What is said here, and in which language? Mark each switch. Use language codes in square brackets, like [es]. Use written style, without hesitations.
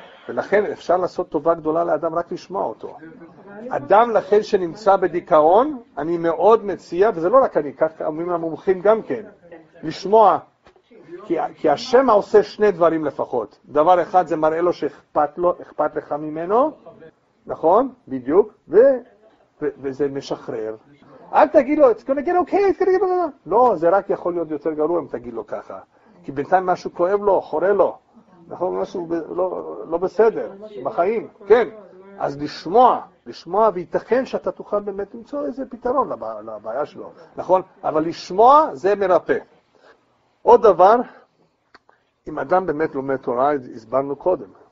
[he] ולכן אפשר לעשות טובה גדולה לאדם רק לשמוע אותו. אדם לכן שנמצא בדיכאון, אני מאוד מציע, וזה לא רק אני, כך אומרים המומחים גם כן, לשמוע, כי השם עושה שני דברים לפחות. דבר אחד זה מראה לו שאכפת לו, אכפת לך ממנו, נכון? בדיוק, וזה משחרר. אל תגיד לו, [en] it's gonna get okay, it's gonna get okay. [he] לא, זה רק יכול להיות יותר גרוע אם תגיד לו ככה. כי בינתיים משהו כואב לו, חורה לו. נכון, משהו לא בסדר, בחיים. כן, אז לשמוע, וייתכן שאתה תוכל באמת למצוא איזה פתרון לבעיה שלו. נכון, אבל לשמוע זה מרפא. עוד דבר, אם אדם באמת לומד תורה, הסברנו קודם.